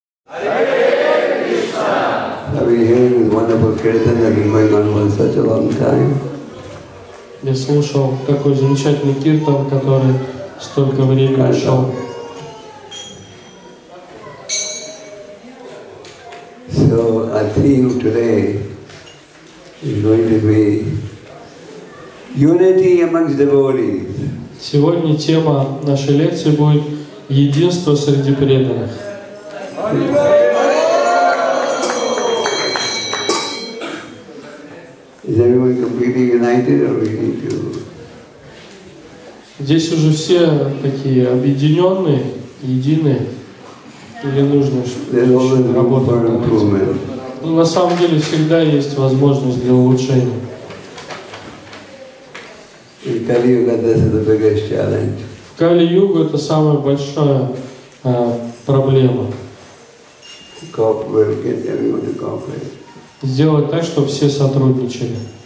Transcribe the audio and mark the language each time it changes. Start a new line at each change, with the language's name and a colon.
English: I've been hearing this wonderful kirtan that in my mind for such a long time.
Russian: Я слушал такой замечательный киртан, который столько времени шел.
English: So our theme today is going to be unity amongst devotees.
Russian: Сегодня тема нашей лекции будет единство среди преданных.
English: Is everyone completely united, or we need to?
Russian: Здесь уже все такие объединенные, единые, или нужно работать? Ну, на самом деле всегда есть возможность для улучшения.
English: In Kali Yuga, this is the biggest challenge.
Russian: В Кали-Югу это самая большая проблема.
English: Cooperate, get everyone to cooperate.
Russian: Сделать так, чтобы все сотрудничали.